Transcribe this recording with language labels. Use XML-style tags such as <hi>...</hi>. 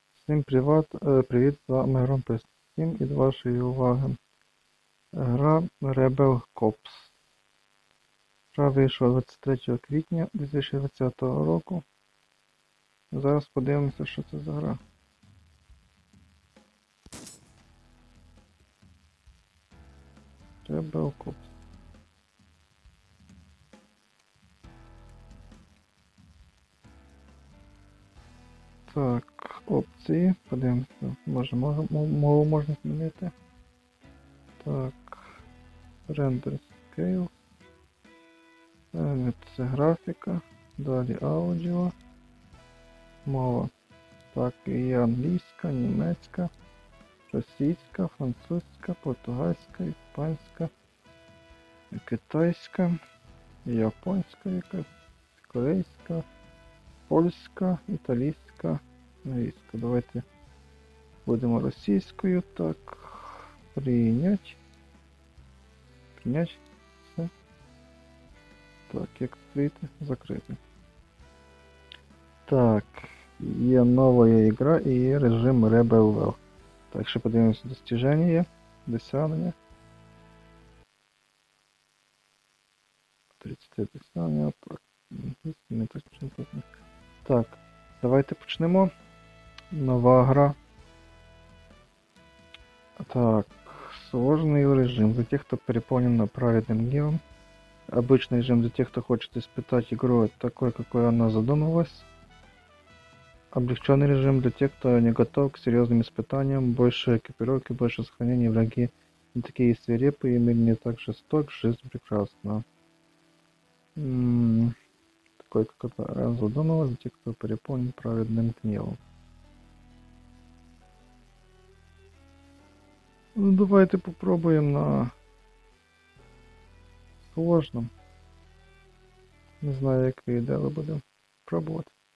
<uk>Всім привіт, привіт, з вами Громпест 7 і до вашої уваги. Гра Rebel Cops. Гра вийшла 23 квітня 2020 року. Зараз подивимося, що це за гра. Rebel Cops. Так, опції, подивимося, може мову можна змінити. Так, render scale. Це графіка, далі аудіо, мова. Так, і англійська, німецька, російська, французька, португальська, іспанська, китайська, японська якась, корейська, польська, італійська. Англійська, давайте будемо російською, так, прийняти, все, так, як відкрити, закрити. Так, є нова гра і є режим Rebel Well. Так, що подивимося, достіження, досягнення, 30 досягнення, так, не так, чим потрібно. Так, давайте почнемо. Нова гра. Так, сложний режим для тих, хто переповнено праведним гнівом. Обичний режим для тих, хто хоче спитати гру такою, якою вона задумалась.</uk> <ru>Облегчений режим</ru> <uk>для тих, хто</uk> <ru>не готов к серйозним испытаниям. Больше экипировки, больше сохранений, враги не такие свирепые, мир не так жесток, жизнь прекрасна. Такой, как она задумалась, для тех, кто переполнен праведным гневом.</ru> <uk>Ну давайте попробуємо</uk> <ru>на сложном.</ru> <uk>Не знаю, як вийде, але будемо пробувати.</uk>